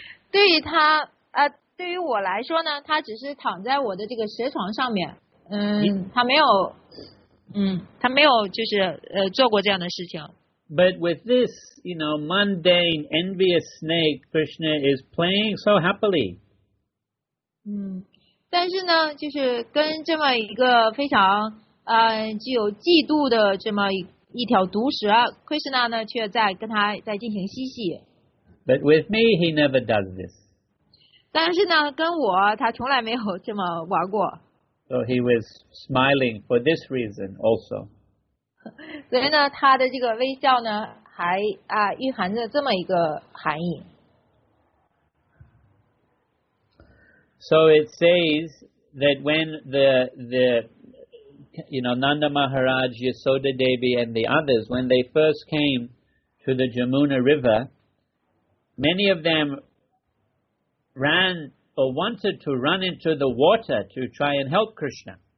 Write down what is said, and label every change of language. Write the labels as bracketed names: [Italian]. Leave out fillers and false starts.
[Chinese] 对于他对于我来说呢，他只是躺在我的这个蛇床上面。他没有就是做过这样的事情。 [English] But with this, you know, mundane, envious snake, Krishna is playing so happily. [Chinese] 但是呢，就是跟这么一个非常具有嫉妒的这么一条毒蛇 ，Krishna 呢却在跟他在进行嬉戏。 [English] But with me, he never does this. [Chinese] 但是呢，跟我他从来没有这么玩过。 [English] So he was smiling for this reason also. [Chinese] 所以呢，他的这个微笑呢，还蕴含着这么一个含义。 [English] So it says that when the you know Nanda Maharaj, Yasoda Devi, and the others when they first came to the Jamuna River, many of them ran or wanted to run into the water to try and help Krishna.